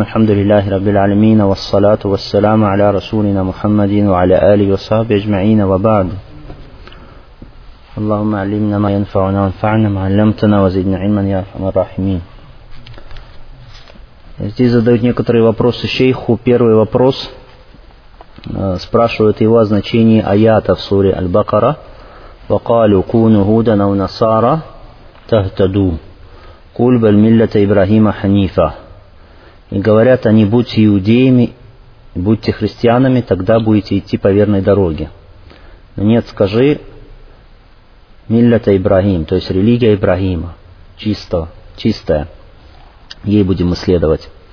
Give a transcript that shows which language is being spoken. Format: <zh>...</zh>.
<ar>الحمد لله رب العالمين، والصلاة والسلام على رسولنا محمد وعلى آله وصحبه أجمعين، وبعد. اللهم علمنا ما ينفعنا وانفعنا ما علمتنا وزدنا علما يا أرحم الراحمين.</ar> <ru>Здесь задают некоторые вопросы шейху. Первый вопрос. Спрашивают его о значении аята в суре Аль-Бакара.</ru> <ar>وقالوا كونوا هودا أو نصارى تهتدوا قل بل ملة إبراهيم حنيفة.</ar> <ru>И говорят они: будьте иудеями, будьте христианами, тогда будете идти по верной дороге. Но нет, скажи: миллята Ибрахим, то есть религия Ибрахима, чистая, ей будем мы следовать.</ru>